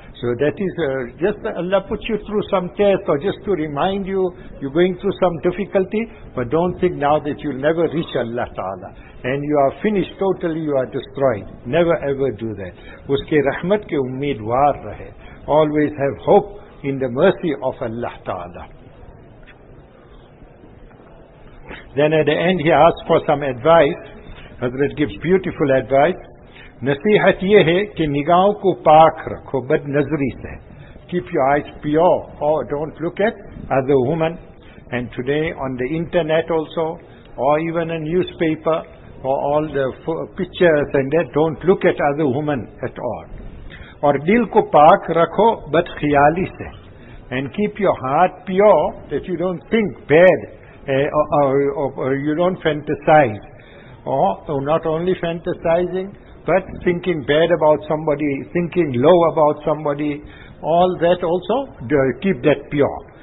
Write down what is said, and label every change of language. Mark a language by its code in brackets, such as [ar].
[en] So that is just Allah puts you through some test or just to remind you, you're going through some difficulty, but don't think now that you'll never reach Allah Ta'ala and you are finished totally, you are destroyed. Never ever do that. [ur] Uske rahmat ke ummeedwar rahe. [en] Always have hope in the mercy of Allah Ta'ala. Then at the end he asks for some advice. Hazrat gives beautiful advice. [ur] نصیحت یہ ہے کہ نگاہوں کو پاک رکھو بد نظری سے. [en] Keep your eyes pure or don't look at other women. And today on the internet also, or even a newspaper, or all the pictures and that, don't look at other women at all. [ur] اور دل کو پاک رکھو بد خیالی سے. [en] And keep your heart pure that you don't think bad or you don't fantasize. Or not only fantasizing, but thinking bad about somebody, thinking low about somebody, all that also, keep that pure.